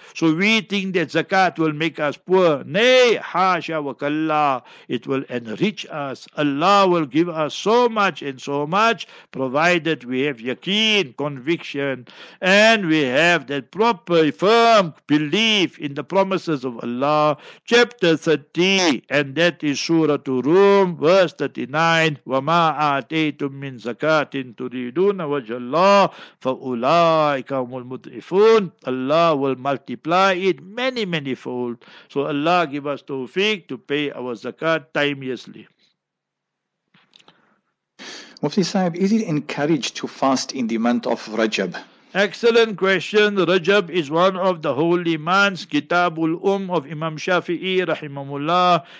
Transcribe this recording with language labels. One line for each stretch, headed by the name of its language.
English: So we think that zakat will make us poor. Nay, hasha wa kalla, it will enrich us. Allah will give us so much and so much, provided we have yakin, conviction, and we have that proper, firm belief in the promises of Allah. Chapter 30, and that is Surah Ar-Rum, verse 39,
Arabic: وَمَا آتَيْتُم مِّن زَكَاتٍ تُرِيدُونَ وَجْهَ اللَّهِ فَأُولَٰئِكَ هُمُ الْمُضْعِفُونَ.
English: Allah will multiply it many, many fold. So Allah give us tawfiq to pay our zakat timeously. Mufti Sahib, is it encouraged to fast in the month of Rajab? Excellent question. Rajab is one of the holy months. Kitabul of Imam Shafi'i rahimahullah.